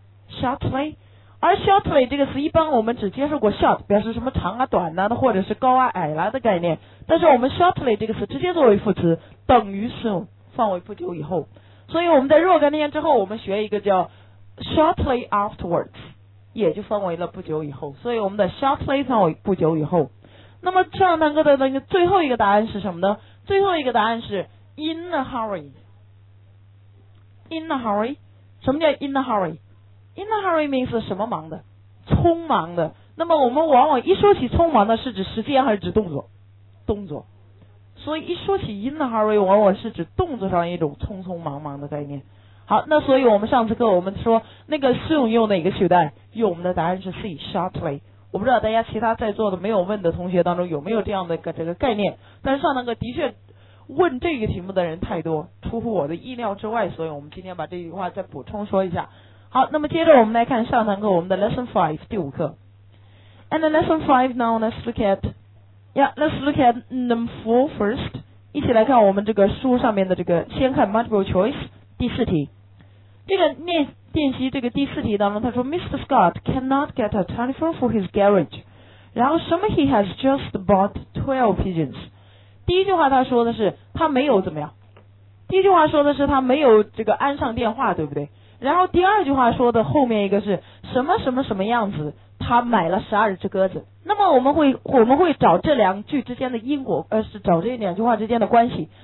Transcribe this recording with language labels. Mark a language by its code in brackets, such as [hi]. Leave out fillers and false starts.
[zh] shortly，而 shortly 这个词一般我们只接受过 short 表示什么长啊短啊的，或者是高啊矮啊的概念，但是我们 shortly 这个词直接作为副词等于 soon， 范围不久以后。所以我们在若干年之后我们学一个叫 [en] shortly afterwards， [zh] 也就范围了不久以后。所以我们的 shortly 范围不久以后。那么上堂课的那个最后一个答案是什么呢？最后一个答案是 [en] in a hurry。 [zh] in a hurry 什么叫 in a hurry？ [en] In a hurry means [zh] 什么忙的？匆忙的。那么我们往往一说起匆忙的，是指时间还是指动作？动作。所以一说起 in a hurry， 往往是指动作上一种匆匆忙忙的概念。好，那所以我们上次课我们说那个 soon 用哪个取代？用我们的答案是 C shortly。我不知道大家其他在座的没有问的同学当中有没有这样的这个概念，但是上那个的确问这个题目的人太多，出乎我的意料之外，所以我们今天把这句话再补充说一下。好，那么接着我们来看上堂课我们的 Lesson 5第五课。 [en] And the Lesson 5 now let's look at let's look at number 4 first。 [zh] 一起来看我们这个书上面的这个，先看 Multiple Choice 第四题。这个练习这个第四题当中，他说 Mr. [en] Scott cannot get a telephone for his garage， [zh] 然后什么 [en] he has just bought 12 pigeons。 [zh] 第一句话他说的是他没有怎么样，第一句话说的是他没有这个安上电话，对不对？然后第二句话说的后面一个是什么什么什么样子，他买了十二只鸽子。那么我们会找这两句之间的因果，是找这两句话之间的关系。